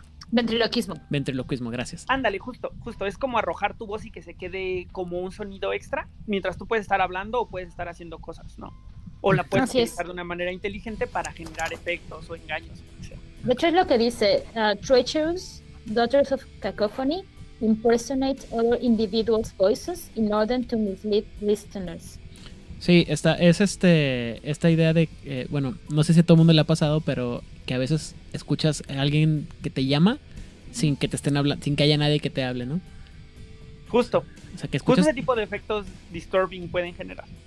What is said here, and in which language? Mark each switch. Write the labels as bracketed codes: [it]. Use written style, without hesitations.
[es] Ventriloquismo, gracias. Ándale, justo, es como arrojar tu voz y que se quede como un sonido extra mientras tú puedes estar hablando o puedes estar haciendo cosas, ¿no? O la puedes Así utilizar es. De una manera inteligente para generar efectos o engaños. De hecho es lo que dice Treacherous, Daughters of Cacophony, [en] impersonate other individuals' voices in order to mislead listeners. [es] Sí, esta es esta idea de, bueno, no sé si a todo el mundo le ha pasado, pero que a veces escuchas a alguien que te llama sin que te estén hablando, sin que haya nadie que te hable, ¿no? Justo. O sea, que escuchas... Justo ese tipo de efectos disturbing pueden generar.